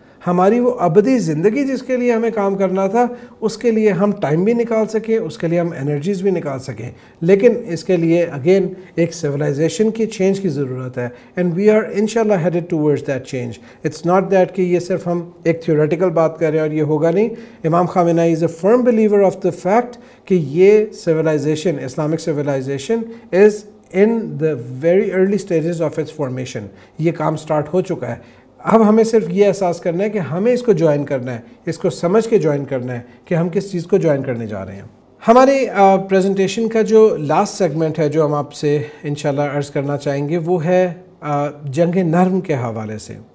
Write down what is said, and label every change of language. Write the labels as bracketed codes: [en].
[ur] ہماری وہ ابدی زندگی جس کے لیے ہمیں کام کرنا تھا اس کے لیے ہم ٹائم بھی نکال سکیں, اس کے لیے ہم انرجیز بھی نکال سکیں. لیکن اس کے لیے اگین ایک سویلائزیشن کی چینج کی ضرورت ہے, [en] And we are انشاءاللہ headed towards that change. It's not that [ur] کہ یہ صرف ہم ایک تھیوریٹیکل بات کر رہے ہیں اور یہ ہوگا نہیں. [en] امام Khamenei is a firm believer of the fact کہ یہ civilisation, islamic civilisation is in the very early stages of its formation. [ur] یہ کام اسٹارٹ ہو چکا ہے, اب ہمیں صرف یہ احساس کرنا ہے کہ ہمیں اس کو جوائن کرنا ہے, اس کو سمجھ کے جوائن کرنا ہے کہ ہم کس چیز کو جوائن کرنے جا رہے ہیں. ہماری پریزنٹیشن کا جو لاسٹ سیگمنٹ ہے جو ہم آپ سے انشاءاللہ عرض کرنا چاہیں گے وہ ہے جنگ نرم کے حوالے سے.